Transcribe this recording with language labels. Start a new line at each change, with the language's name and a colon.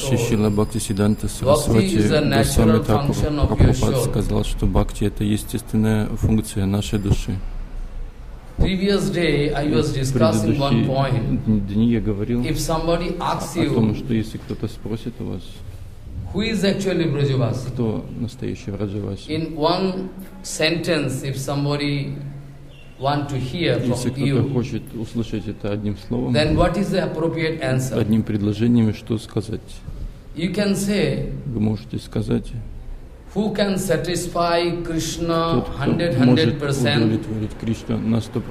Russian: Сисило Бхакти Сиддханта Сарасвати Госвами Тхакур Прабхупад сказал, что бхакти — это естественная функция нашей души.
English: Previous day I was discussing one point.
Russian: Дни я говорил.
English: If somebody asks you,
Russian: о том, что если кто-то спросит у вас,
English: who is actually Vrajavasi?
Russian: Кто настоящий Vrajavasi?
English: In one sentence, if somebody want to hear from you,
Russian: если кто-то хочет услышать это одним словом,
English: then what is the appropriate answer?
Russian: Одним предложением, что сказать?
English: You can say.
Russian: Вы можете сказать.
English: Who can satisfy Krishna 100%?
Russian: Тот, кто может удовлетворить Кришну на 100%.